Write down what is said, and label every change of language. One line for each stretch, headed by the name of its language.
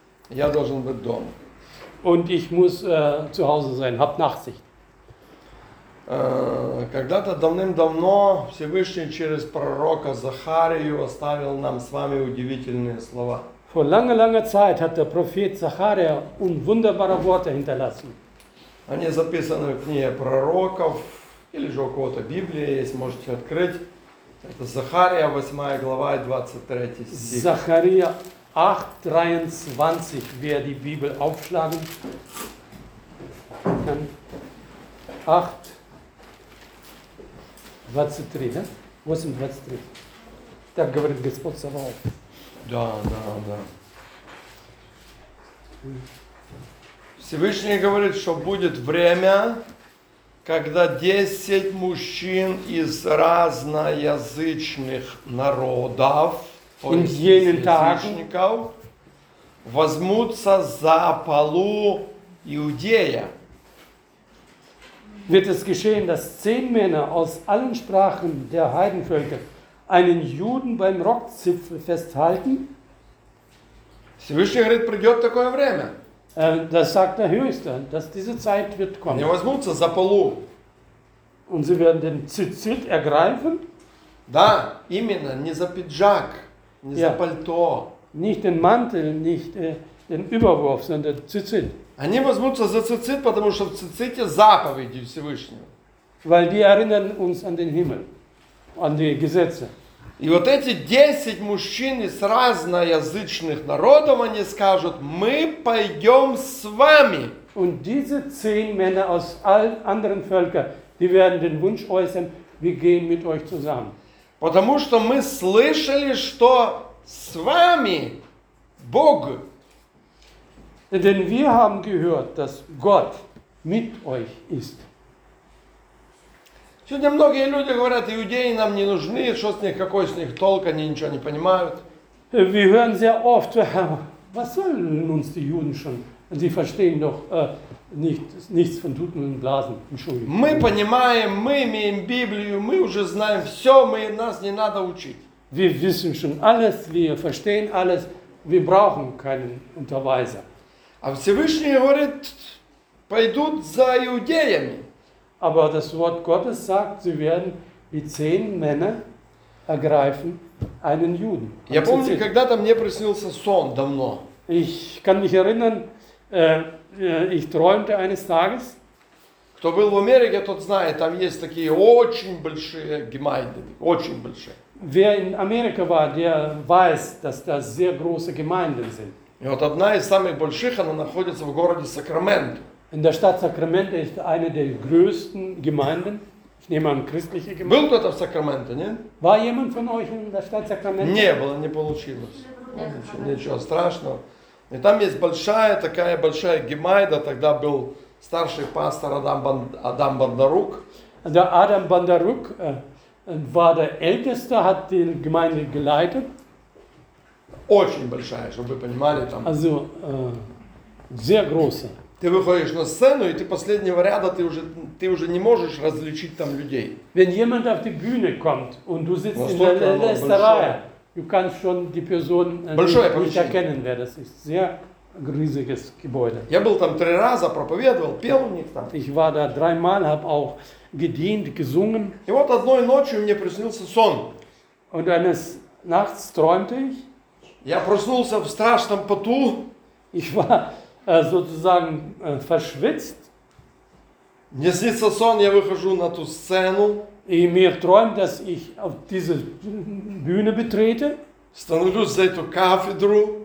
German: Ich habe das schon bedauert. Und ich muss zu Hause sein, hab Nachsicht.
Russian: Когда-то давным-давно Всевышний через пророка Захарию оставил нам с вами удивительные слова.
German: Vor langer Zeit hat der Prophet Zacharia wunderbare Worte hinterlassen.
Russian: Они записаны в книге пророков, или же у кого-то Библии есть, можете открыть. Это Захария, 8 глава, 23 стих.
German: Захария 8:23, wer die Bibel aufschlagen kann. 8:23, ne? 8:23.
Russian: Так говорит Господь Саваоф. Да. Всевышний говорит, что будет время, когда 10 мужчин из разноязычных народов, то есть язычников, возьмутся за полу Иудея.
German: Wird es geschehen, dass 10 Männer aus allen Sprachen der Heidenvölker einen Juden beim Rockzipfel festhalten?
Russian: Всевышний говорит, придет такое время.
German: Das sagt der Höchste, dass diese Zeit wird kommen.
Russian: Не возьмутся за полу.
German: Und sie werden den Zitzit ergreifen?
Russian: Да, именно, не за пиджак, не за пальто.
German: Nicht den Mantel, nicht den Überwurf, sondern Zitzit.
Russian: Они возьмутся за Цицит, потому что в Циците заповеди Всевышнего.
German: Weil die erinnern uns an den Himmel, an die Gesetze.
Russian: И вот эти 10 мужчин из разноязычных народов, они скажут, мы пойдем с вами.
German: Und diese 10 Männer aus allen anderen Völkern, die werden den Wunsch äußern, wir gehen mit euch zusammen.
Russian: Потому что мы слышали, что с вами Бог.
German: Denn wir haben gehört, dass Gott mit euch ist.
Russian: Сегодня многие люди говорят, иудеи нам не нужны, что с них, какой с них толк, они ничего не понимают. Мы слышим
German: sehr oft, was sollen uns die Juden schon? Sie verstehen doch nichts von Tuten und Blasen.
Russian: Мы понимаем, мы имеем Библию, мы уже знаем все, нас не надо учить.
German: Wir wissen schon alles, wir verstehen alles, wir brauchen keinen Unterweiser.
Russian: А Всевышний говорит, пойдут за иудеями.
German: Aber das Wort Gottes sagt, sie werden die 10 Männer ergreifen, einen Juden.
Russian: Я помню, когда-то мне приснился сон давно.
German: Ich kann mich erinnern, ich träumte eines Tages.
Russian: Кто был в Америке, тот знает, там есть такие очень большие Gemeinden, очень большие.
German: Wer in Amerika war, der weiß, dass da sehr große Gemeinden sind.
Russian: И вот одна из самых больших, она находится в городе Сакраменто.
German: In der Stadt Sacramento ist eine der größten Gemeinden. Ich nehme an, christliche Gemeinde.
Russian: Был кто-то в Сакраменто, не?
German: War jemand von euch in der Stadt Sacramento?
Russian: Не было, не получилось. Ничего страшного. И там есть большая, такая большая Gemeinde. Тогда был старший пастор Адам Бандарук.
German: Der Adam Bandarук war der Älteste, hat die Gemeinde geleitet.
Russian: Очень большая, чтобы вы понимали. Там.
German: Also, sehr große.
Russian: Ты выходишь на сцену, и ты последнего ряда, ты уже не можешь различить там людей.
German: Wenn jemand auf die Bühne kommt und du sitzt in der letzten Reihe, du kannst schon die Person nicht erkennen, wer das ist. Sehr riesiges Gebäude.
Russian: Я был там 3 раза, проповедовал, пел у них там.
German: Ich war da 3-mal, habe auch gedient, gesungen.
Russian: И вот одной ночью мне приснился сон.
German: Und eines Nachts träumte ich.
Russian: Я проснулся в страшном поту.
German: Ich war sozusagen verschwitzt.
Russian: Мне снится сон, я выхожу на ту сцену. И мир
German: träumt, dass ich auf diese Bühne betrete.
Russian: Становлюсь за эту кафедру.